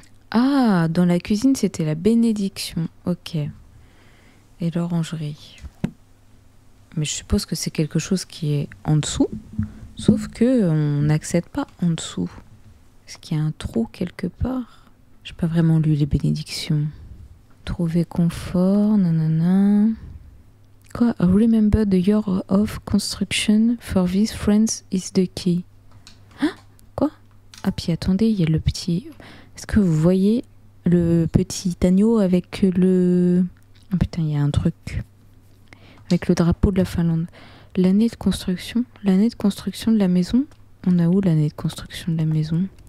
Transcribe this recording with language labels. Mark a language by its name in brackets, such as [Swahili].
[French] Ah, dans la cuisine, c'était la bénédiction. Ok. Et l'orangerie. Mais je suppose que c'est quelque chose qui est en dessous. Sauf que on n'accède pas en dessous. Est-ce qu'il y a un trou quelque part? J'ai pas vraiment lu les bénédictions. Trouver confort, nanana. Quoi? [English] Remember the year of construction for these friends is the key. [French] Ah, puis attendez, il y a le petit. Est-ce que vous voyez le petit agneau avec le. Oh putain, il y a un truc. Avec le drapeau de la Finlande. L'année de construction? L'année de construction de la maison? On a où l'année de construction de la maison?